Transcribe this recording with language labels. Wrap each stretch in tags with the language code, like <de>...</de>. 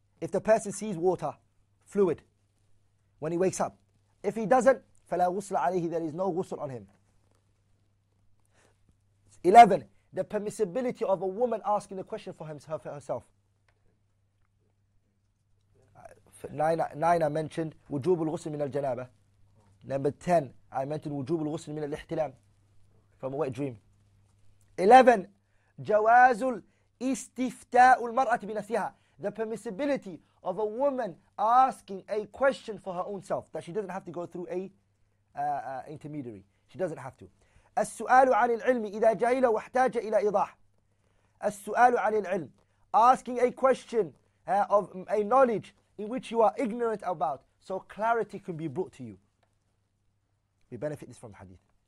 <en>If the person sees water, fluid, when he wakes up. If he doesn't,</en> <ar>فلا غسل عليه,</ar> <en>there is no ghusl on him. 11, the permissibility of a woman asking the question for herself. 9 I mentioned</en> <ar>وجوب الغسل من الجنابة.</ar> <en>Number 10 I mentioned</en> <ar>وجوب الغسل من الاحتلام,</ar> <en>from a wet dream. 11</en> <ar>جواز الاستفتاء المرأة بنفسها,</ar> <en>the permissibility of a woman asking a question for her own self, that she doesn't have to go through an intermediary. She doesn't have to.</en> <ar>السؤال عن العلم إذا جاهل واحتاج إلى إيضاح. السؤال عن العلم,</ar> <en>asking a question of a knowledge in which you are ignorant about, so clarity can be brought to you. We benefit this from the hadith.</en>